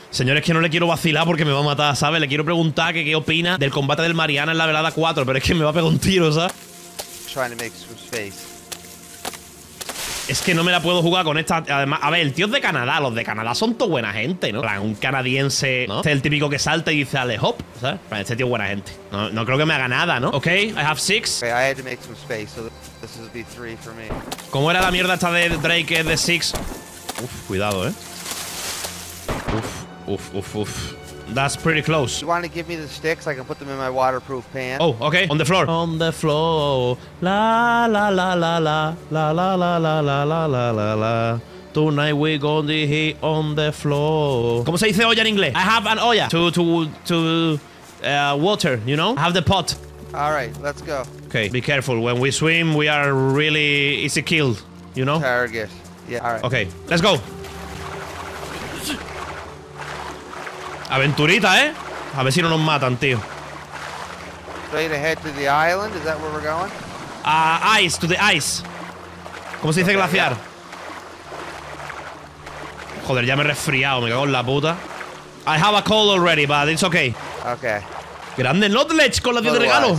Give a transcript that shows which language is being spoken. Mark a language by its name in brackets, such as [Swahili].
[Spanish] Señores, que no le quiero vacilar porque me va a matar, ¿sabes? Le quiero preguntar que qué opina del combate del Mariana en la velada 4, pero es que me va a pegar un tiro, ¿sabes? [English] Trying to make some space. [Spanish] Es que no me la puedo jugar con esta. Además, a ver, el tío es de Canadá. Los de Canadá son todo buena gente, ¿no? Plan, un canadiense, ¿no? Este es el típico que salta y dice, ale, hop. ¿Sabes? Este tío es buena gente. No, no creo que me haga nada, ¿no? [English] Ok, I have six. Okay, I had to make some space, so this would be three for me. [Spanish] ¿Cómo era la mierda esta de Drake, de six? Uf, cuidado, ¿eh? Uf, uf, uf, uf. [English] That's pretty close. You want to give me the sticks? I can put them in my waterproof pan. Oh, okay. On the floor. On the floor. La la la la la la la la la la la la la la. Tonight we're gonna hit on the floor. [Spanish] ¿Cómo se dice olla en inglés? [English] I have an olla. To water. You know. I have the pot. All right. Let's go. Okay. Be careful. When we swim, we are really easy killed. You know. Target. Yeah. All right. Okay. Let's go. [Spanish] Aventurita, ¿eh? A ver si no nos matan, tío. [English] Straight ahead to the island, is that where we're going? Ice, to the ice. [Spanish] ¿Cómo se dice glaciar? [English] Yeah. [Spanish] Joder, ya me he resfriado, me cago en la puta. [English] I have a cold already, but it's okay. Okay. [Spanish] Grande Nutledge con la 10 de regalo.